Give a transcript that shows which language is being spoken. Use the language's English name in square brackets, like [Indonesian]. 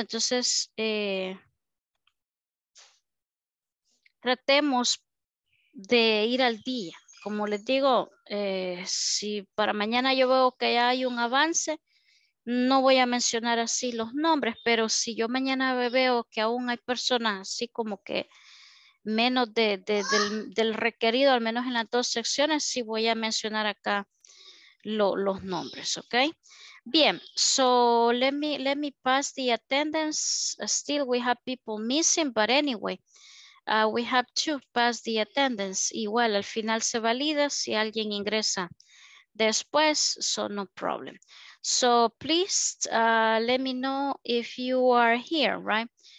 [Spanish] Entonces tratemos de ir al día, como les digo, si para mañana yo veo que ya hay un avance, no voy a mencionar así los nombres, pero si yo mañana veo que aún hay personas así como que menos del requerido, al menos en las 2 secciones, sí voy a mencionar acá los nombres, [English] ¿ok? [Spanish] Bien, [English] so let me pass the attendance. Still we have people missing, but anyway, we have to pass the attendance. [Spanish] Igual, al final se valida si alguien ingresa después, [English] so no problem. So please let me know if you are here, right?